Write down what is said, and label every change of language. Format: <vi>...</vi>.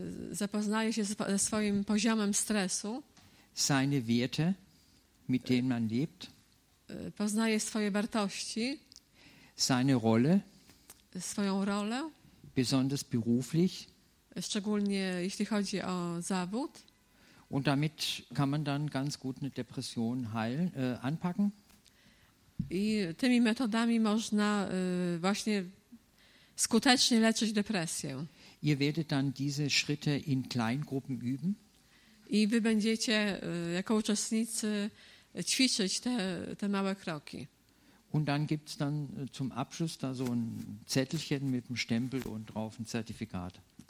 <pl>Zapoznaje się ze swoim poziomem stresu.</pl> <de>Seine Werte, mit denen man lebt.</de> <pl>Poznaje swoje wartości,</pl> <de>seine Rolle,</de> <pl>swoją rolę,</pl> <de>besonders beruflich,</de> <pl>szczególnie jeśli chodzi o zawód.</pl> <de>Und damit kann man dann ganz gut eine Depression heilen, anpacken.</de> <pl>I tymi metodami można właśnie skutecznie leczyć depresję.</pl> <de>Ihr werdet dann diese Schritte in Kleingruppen üben.</de> <pl>I wy będziecie jako uczestnicy ćwiczyć te małe kroki.</pl> <de>Und dann gibt's dann zum Abschluss da so ein Zettelchen mit dem Stempel und drauf ein Zertifikat.</de>